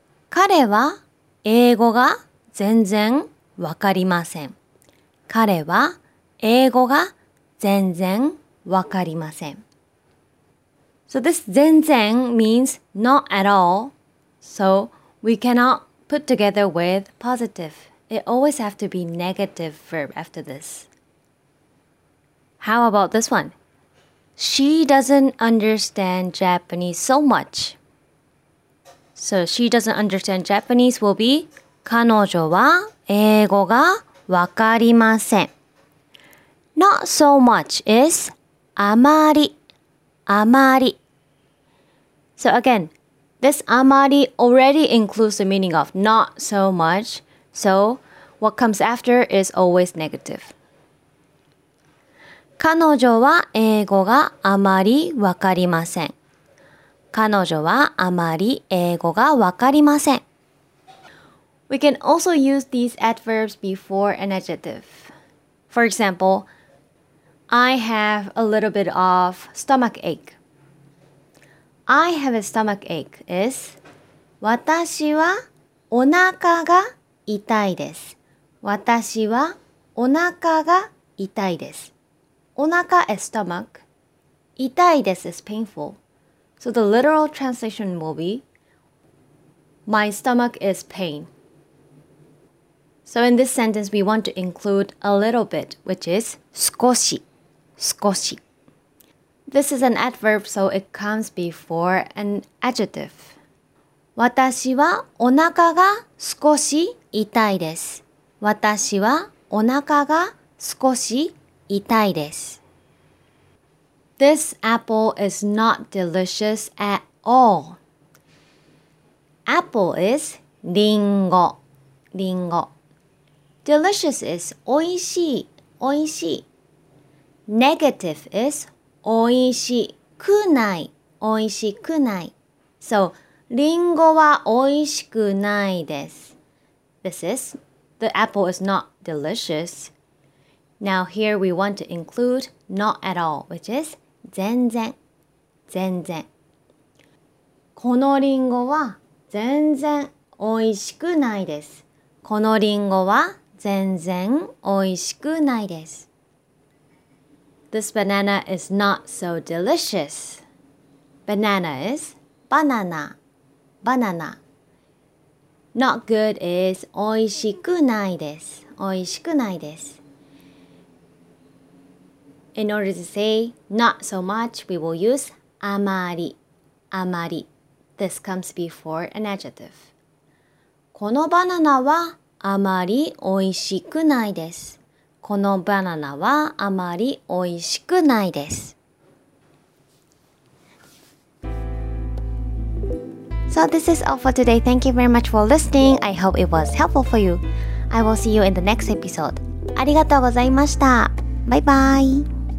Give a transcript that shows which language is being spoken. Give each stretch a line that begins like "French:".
Japanese: 彼は英語が全然わかりません。彼は英語が全然わかりません。
English: So this 全然 means not at all, so we cannotput together with positive. It always have to be negative verb after this. How about this one? She doesn't understand Japanese so much. So she doesn't understand Japanese will be
Japanese: 彼女は英語がわかりません。
English: Not so much is
Japanese: あまり、あまり。
English: So again,This amari already includes the meaning of not so much, so what comes after is always negative.
Japanese: 彼女は英語があまりわかりません。彼女はあまり英語がわかりません。
English: We can also use these adverbs before an adjective. For example, I have a little bit of stomach ache. I have a stomach ache is
Japanese: 私はお腹が痛いです。私はお腹が痛いです。
English: お腹 is stomach. 痛いです is painful. So the literal translation will be My stomach is pain. So in this sentence, we want to include a little bit, which is
Japanese: 少し。少し。
English: This is an adverb, so it comes before an adjective.
Japanese: 私はお腹が少し痛いです。私はお腹が少し痛いです。
English: This apple is not delicious at all. Apple is
Japanese: リンゴ。リンゴ。
English: Delicious is おいしい。おいしい。Negative is
Japanese: おいしくない。おいしくない。 So, リンゴはおいしくないです。
English: This is, the apple is not delicious. Now here we want to include not at all, which is
Japanese: 全然。全然。このリンゴは全然おいしくないです。このリンゴは全然おいしくないです。
English: This banana is not so delicious. Banana is banana. Banana. Not good is おいしくないです。
Japanese: おいしくないです。
English: In order to say not so much, we will use あまり。あまり。 This comes before an adjective.
Japanese: このバナナはあまりおいしくないです。このバナナはあまりおいしくないです。
English: So this is all for today. Thank you very much for listening. I hope it was helpful for you. I will see you in the next episode.
Japanese: ありがとうございました。バイバイ。